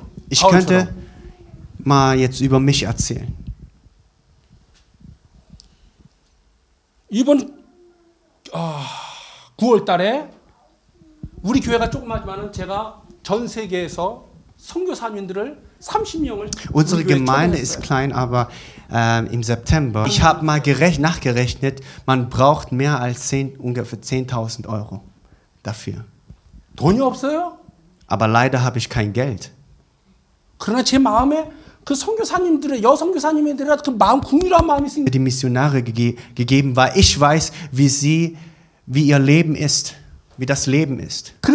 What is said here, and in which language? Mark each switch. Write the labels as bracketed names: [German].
[German] Ich könnte mal jetzt über mich erzählen. [Korean] 이번 9월 달에 우리 교회가 조그마지만은 제가 전 세계에서 선교사님들을 30명을 [German] Unsere Gemeinde ist klein, aber im September ich habe mal nachgerechnet, man braucht mehr als ungefähr 10.000 Euro dafür. [Korean] 돈이 없어요? [German] Aber leider habe ich kein Geld. [Korean] 그러나 제 마음에 그 선교사님들의 여선교사님들의 그 마음 국민한 마음이 있습니다. [German] Die Missionare gegeben, weil ich weiß, wie ihr Leben ist. Wie das Leben ist.